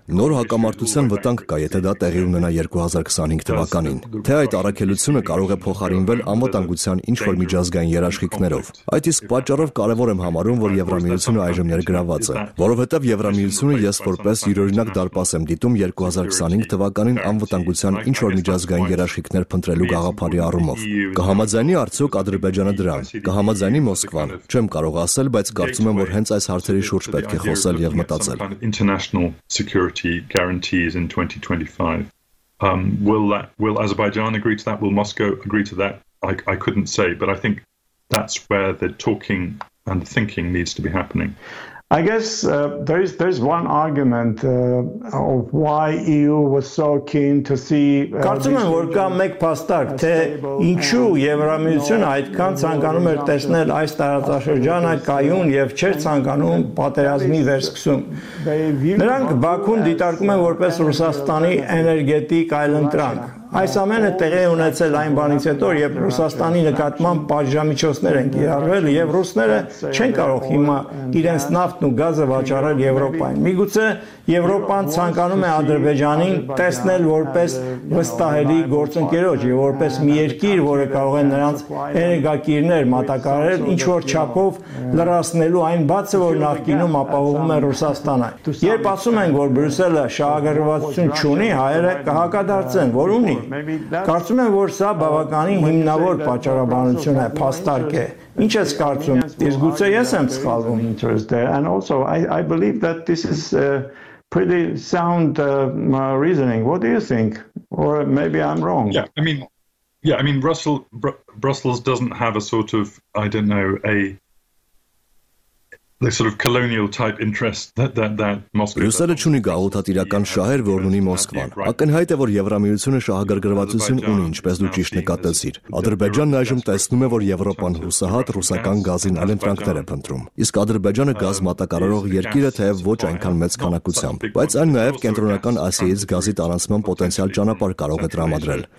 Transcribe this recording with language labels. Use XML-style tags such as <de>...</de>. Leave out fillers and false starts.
<hy>Նոր հակամարտության վտանգ կա, եթե դա տեղի ունենա 2025 թվականին։ Թե այդ առաքելությունը կարող է փոխարինվել անվտանգության ինչ-որ միջազգային երաշխիքներով։ Այդ իսկ պատճառով կարևոր եմ համարում, որ Եվրամիությունը այժմ ներգրավված է, որովհետև Եվրամիությունը ես որպես յուրօրինակ դարպաս եմ դիտում 2025 թվականին անվտանգության ինչ-որ միջազգային երաշխիքներ փնտրելու գաղափարի առումով։ Կհամաձայնի արդյոք Ադրբեջանը դրան, կհամաձայնի Մոսկվան։ Չեմ կարող ասել, բայց կարծում եմ, որ հենց այս հարցերի շուրջ պետք է խոսել եւ մտածել.</hy> <en>International security guarantees in 2025. Will Azerbaijan agree to that? Will Moscow agree to that? I couldn't say, but I think that's where the talking and the thinking needs to be happening. I guess there's one argument of why EU was so keen to see</en> <hy>Կարծում եմ, որ կա մեկ փաստարկ, թե ինչու Եվրամիությունը այդքան ցանկանում էր տեսնել այս տարածաշրջանը կայուն եւ չէր ցանկանում պատերազմի վերսկսում։ Նրանք Բաքուն դիտարկում են որպես Ռուսաստանի էներգետիկ այլընտրանք։ Այս ամենը տեղի ունեցել այն բանից հետո, երբ Ռուսաստանի նկատմամբ պատժամիջոցներ են կիրառվել եւ ռուսները չեն կարող հիմա իրենց նավթն ու գազը վաճառել Եվրոպային։ Միգուցե Եվրոպան ցանկանում է Ադրբեջանին տեսնել որպես վստահելի գործընկերոջ եւ որպես մի երկիր, որը կարող է նրանց էներգակիրներ մատակարարել ինչ որ չափով լրացնելու այն բացը, որ նախկինում ապահովում է Ռուսաստանը։ Երբ ասում են, որ Բրյուսելը շահագրգռվածություն չունի, հայերը կհակադարձեն, որ կարծում եմ, որ սա բավականին հիմնավոր պատճառաբանություն է, փաստարկ է։ Ինչ ես կարծում, ես գուցե ես եմ սխալվում։</hy> <en>And also I believe that this is pretty sound reasoning. What do you think? Or maybe I'm wrong. Yeah, I mean Brussels doesn't have a sort of, I don't know, the sort of colonial type interest that Moscow.</en> <hy>Բրյուսելը չունի գաղութատիրական շահեր, որ ունի Մոսկվան։ Ակնհայտ է, որ Եվրամիությունը շահագրգռվածություն ունի, ինչպես դու ճիշտ նկատեցիր։ Ադրբեջանն այժմ տեսնում է, որ Եվրոպան հուսահատ ռուսական գազին ալենտրանքներ է փնտրում։ Իսկ Ադրբեջանը գազ մատակարարող երկիր է, թեև ոչ այնքան մեծ քանակությամբ, բայց այն նաև կենտրոնական Ասիայից գազի տարածման պոտենցիալ ճանապարհ կարող է դրամադրել։</hy>